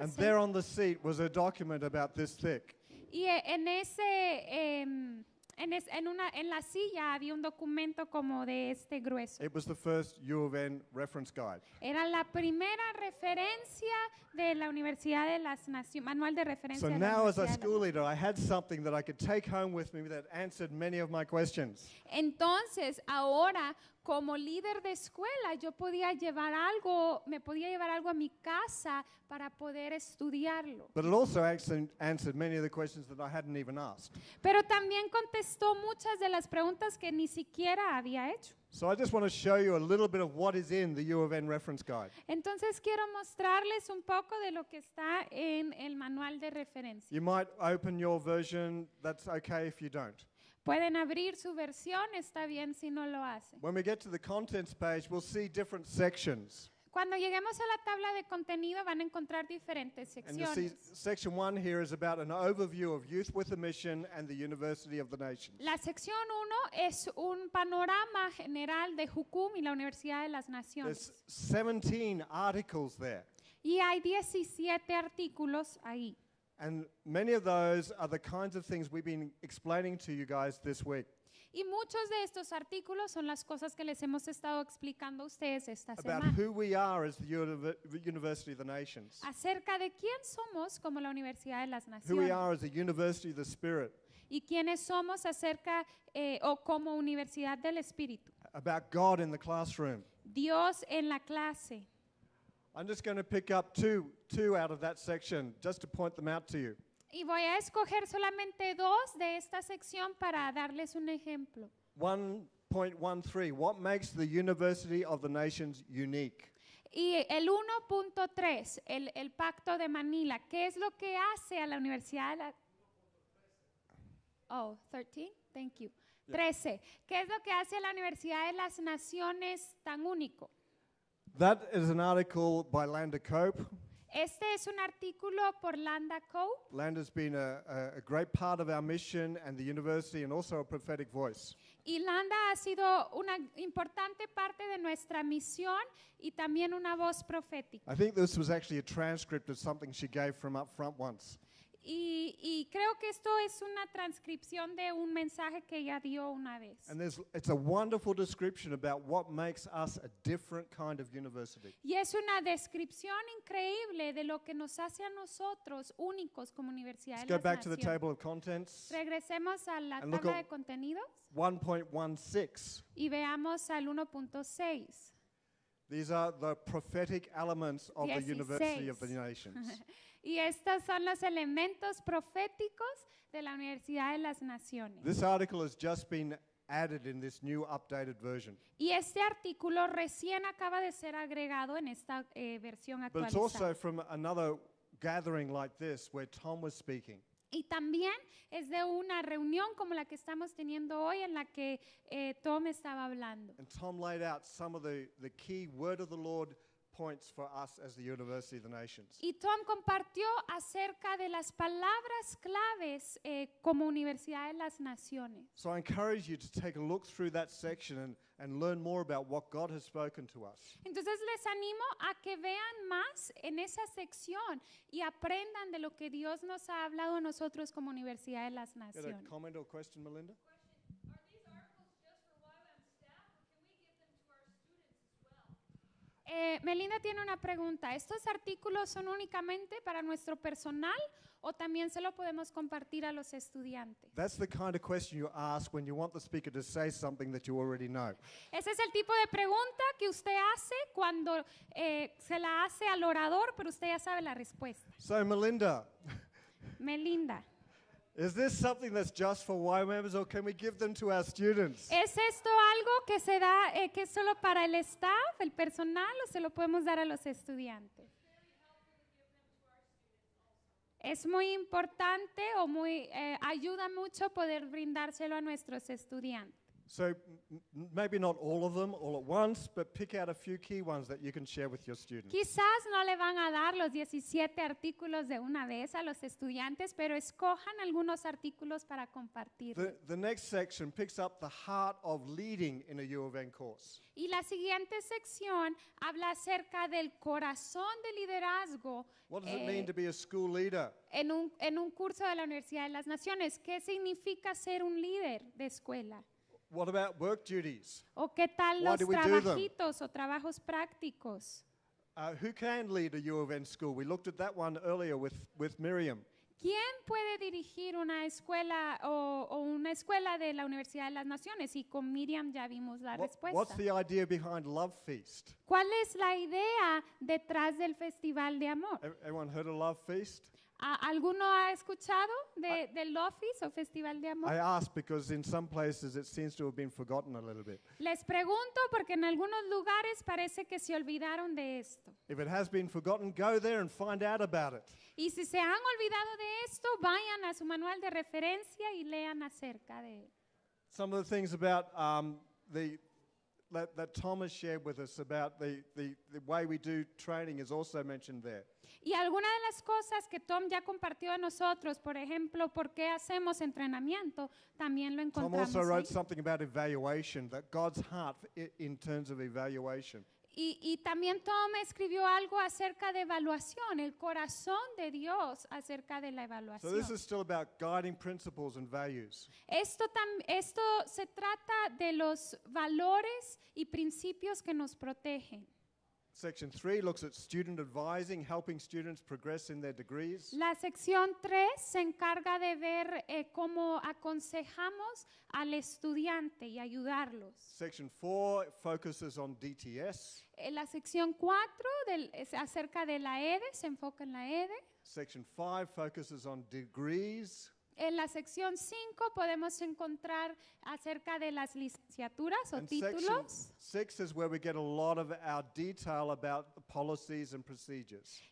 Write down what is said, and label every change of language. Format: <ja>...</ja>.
<en>And there on the seat was a document about this thick.</en> <es>Y en ese en la silla había un documento como de este grueso.</es> <en>It was the first UofN reference guide.</en> <es>Era la primera referencia de la Universidad de las Naciones, manual de referencia.</es> <en>So now as a school leader, I had something that I could take home with me that answered many of my questions.</en> <es>Entonces, ahora, como líder de escuela, yo podía llevar algo, me podía llevar algo a mi casa para poder estudiarlo.</es> <en>But it also answered many of the questions that I hadn't even asked.</en> <es>Pero también contestó muchas de las preguntas que ni siquiera había hecho.</es> <en>So I just want to show you a little bit of what is in the UofN reference guide.</en> <es>Entonces quiero mostrarles un poco de lo que está en el manual de referencia.</es> <en>You might open your version, that's okay if you don't.</en> <es>Pueden abrir su versión, está bien si no lo hacen.</es> <en>When we get to the contents page, we'll see different sections.</en> <es>Cuando lleguemos a la tabla de contenido, van a encontrar diferentes secciones.</es> <en>And you see, section one here is about an overview of youth with a mission and the University of the Nations.</en> <es>La sección uno es un panorama general de Hukum y la Universidad de las Naciones.</es> <en>There's 17 articles there.</en> <es>Y hay 17 artículos ahí.</es> <en>And many of those are the kinds of things we've been explaining to you guys this week.</en> <es>Y muchos de estos artículos son las cosas que les hemos estado explicando a ustedes esta semana.</es> <en>About who we are as the University of the Nations.</en> <es>Acerca de quién somos como la Universidad de las Naciones.</es> <en>Who we are as a University of the Spirit.</en> <es>Y quiénes somos acerca o como Universidad del Espíritu.</es> <en>About God in the classroom.</en> <es>Dios en la clase.</es> <en>I'm just going to pick up two out of that section just to point them out to you.</en> <es>Y voy a escoger solamente dos de esta sección para darles un ejemplo.</es> <en>1.13, what makes the University of the Nations unique?</en> <es>Y el 1.3, el Pacto de Manila, ¿qué es lo que hace a la Universidad de la...</es> <en>Oh, 13, thank you. Yeah.</en> <es>13, ¿qué es lo que hace a la Universidad de las Naciones tan único?</es> <en>That is an article by Landa Cope.</en> <es>Este es un artículo por Landa Cope.</es> <en>Landa's been a great part of our mission and the university and also a prophetic voice.</en> <es>Y Landa ha sido una importante parte de nuestra misión y también una voz profética.</es> <en>I think this was actually a transcript of something she gave from up front once.</en> <es>Y creo que esto es una transcripción de un mensaje que ella dio una vez.</es> <en>And it's a wonderful description about what makes us a different kind of university.</en> <es>Y es una descripción increíble de lo que nos hace a nosotros únicos como universidad.</es> <en>Let's go back to the table of contents.</en> <es>Regresemos a la tabla de contenidos.</es> <en>1.16.</en> <es>Y veamos al 1.6.</es> <en>These are the prophetic elements of 16. The University of the Nations.</en> <es>Y estos son los elementos proféticos de la Universidad de las Naciones.</es> <en>This article has just been added in this new updated version.</en> <es>Y este artículo recién acaba de ser agregado en esta versión actualizada.</es> <en>But it's also from another gathering like this where Tom was speaking.</en> <es>Y también es de una reunión como la que estamos teniendo hoy en la que Tom estaba hablando.</es> <en>And Tom laid out some of the key word of the Lord points for us as the University of the Nations.</en> <es>Y Tom compartió acerca de las palabras claves como Universidad de las Naciones.</es> <en>So I encourage you to take a look through that section and learn more about what God has spoken to us.</en> <es>Entonces les animo a que vean más en esa sección y aprendan de lo que Dios nos ha hablado a nosotros como Universidad de las Naciones.</es> <en>Got a comment or question, Melinda?</en> <es>Melinda tiene una pregunta. ¿Estos artículos son únicamente para nuestro personal o también se lo podemos compartir a los estudiantes?</es> <en>That's the kind of question you ask when you want the speaker to say something that you already know.</en> <es>Ese es el tipo de pregunta que usted hace cuando se la hace al orador, pero usted ya sabe la respuesta.</es> <en>So, Melinda.</en> <es>Melinda.</es> <en>Is this something that's just for Y members, or can we give them to our students?</en> <es>¿Es esto algo que se da que es solo para el staff, el personal, o se lo podemos dar a los estudiantes? Es muy importante o muy ayuda mucho poder brindárselo a nuestros estudiantes.</es> <en>So maybe not all of them all at once, but pick out a few key ones that you can share with your students.</en> <es>Quizás no le van a dar los 17 artículos de una vez a los estudiantes, pero escojan algunos artículos para compartir.</es> <en>The next section picks up the heart of leading in a UofN course.</en> <es>Y la siguiente sección habla acerca del corazón de liderazgo.</es> <en>What does it mean to be a school leader?</en> <es>En un curso de la Universidad de las Naciones, ¿qué significa ser un líder de escuela?</es> <en>What about work duties?</en> <es>¿O qué tal los trabajitos o trabajos prácticos?</es> <en>Who can lead a UofN school? We looked at that one earlier with Miriam.</en> <es>¿Quién puede dirigir una escuela o una escuela de la Universidad de las Naciones? Y con Miriam ya vimos la respuesta.</es> <en>What's the idea behind Love Feast?</en> <es>¿Cuál es la idea detrás del Festival de Amor?</es> <en>Everyone heard of Love Feast?</en> <es>¿Alguno ha escuchado de Love Feast o Festival de Amor?</es> <en>I ask because in some places it seems to have been forgotten a little bit.</en> <es>Les pregunto porque en algunos lugares parece que se olvidaron de esto.</es> <en>If it has been forgotten, go there and find out about it.</en> <es>Y si se han olvidado de esto, vayan a su manual de referencia y lean acerca de él.</es> <en>Some of the things about that Thomas shared with us about the way we do training is also mentioned there.</en> <es>Y alguna de las cosas que Tom ya compartió a nosotros, por ejemplo, por qué hacemos entrenamiento, también lo encontramos.</es> <en>Tom also wrote something about evaluation, that God's heart in terms of evaluation.</en> <es>Y también Tom escribió algo acerca de evaluación, el corazón de Dios acerca de la evaluación.</es> <en>So this is still about guiding principles and values.</en> <es>Esto se trata de los valores y principios que nos protegen.</es> <en>Section 3 looks at student advising, helping students progress in their degrees.</en> <es>La sección 3 se encarga de ver cómo aconsejamos al estudiante y ayudarlos.</es> <en>Section 4 focuses on DTS.</en> <es>La sección 4 acerca de la EDE se enfoca en la EDE.</es> <en>Section 5 focuses on degrees.</en> <es>En la sección 5 podemos encontrar acerca de las licenciaturas o títulos.</es> <en>Six is where we get a lot of our detail about the policies and procedures.</en>